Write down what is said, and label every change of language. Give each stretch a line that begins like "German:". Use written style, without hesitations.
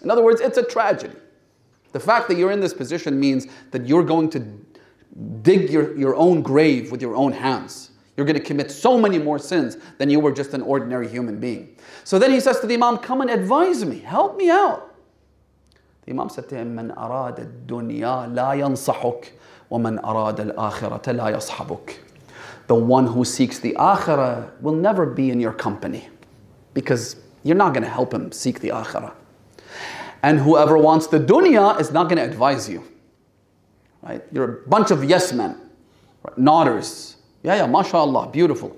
English: In other words, it's a tragedy. The fact that you're in this position means that you're going to dig your own grave with your own hands. You're going to commit so many more sins than you were just an ordinary human being. So then he says to the Imam, come and advise me, help me out. The Imam said to him,
Arabic: من أراد الدنيا لا ينصحك ومن أراد الآخرة لا يصحبك.
English: The one who seeks the Akhirah will never be in your company because you're not going to help him seek the Akhirah. And whoever wants the dunya is not going to advise you. Right? You're a bunch of yes men, right? Nodders. Yeah, mashallah, beautiful.